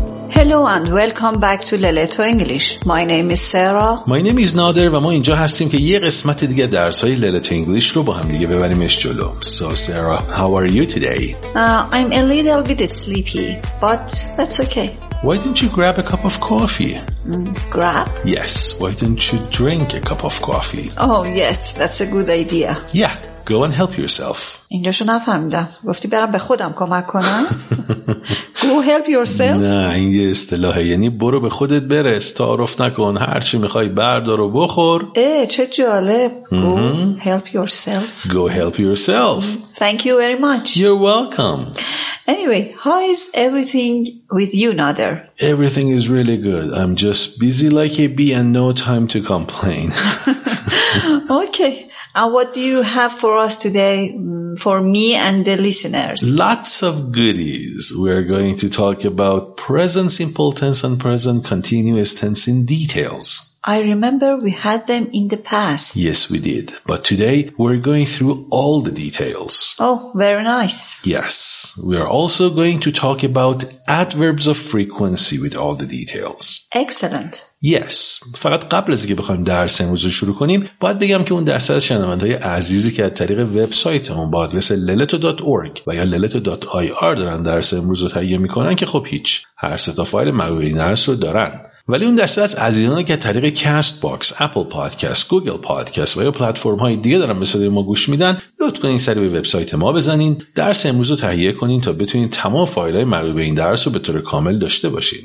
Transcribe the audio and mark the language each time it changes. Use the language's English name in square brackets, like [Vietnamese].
[English] Hello and welcome back to Leleto English. My name is Sarah. My name is Nader [Persian] و ما اینجا هستیم که یه قسمت دیگه درس‌های Leleto English رو با هم دیگه ببریمش جلو. [English] So Sarah, how are you today? I'm a little bit sleepy, but that's okay. Why didn't you grab a cup of coffee? Grab? Yes, why didn't you drink a cup of coffee? Oh yes, that's a good idea. Yeah, go and help yourself. [Persian] اینجاشو نفهمیدم. گفتی برم به خودم کمک کنم؟ [English] Go help yourself. [Persian] نه این یه اصطلاحه، یعنی برو به خودت برس، تعارف نکن، هرچی میخوای بردار و بخور. چه جالب. [English] Go help yourself. Thank you very much. You're welcome. Anyway, how is everything with you, Nader? Everything is really good. I'm just busy like a bee and no time to complain. Okay. And what do you have for us today, for me and the listeners? Lots of goodies. We are going to talk about present simple tense and present continuous tense in details. I remember we had them in the past. Yes, we did. But today, we're going through all the details. Oh, very nice. Yes. We are also going to talk about adverbs of frequency with all the details. Excellent. Yes. [Persian] فقط قبل از اینکه بخوایم درس امروز رو شروع کنیم، باید بگم که اون دسته از شنوندهای عزیزی که از طریق وبسایتمون با آدرس leleto.org و یا leleto.ir دارن درس امروز رو تهیه میکنن که خب هیچ، هر سه تا فایل مربوط به درس رو دارن. ولی اون دسته از عزیزان که طریق کاست باکس، اپل پادکست، گوگل پادکست و یا پلتفرم های دیگه دارن به صدای ما گوش میدن، لطف کنین سری به وبسایت ما بزنین، درس امروز رو تهیه کنین تا بتونین تمام فایل های مربوط به این درس رو به طور کامل داشته باشین.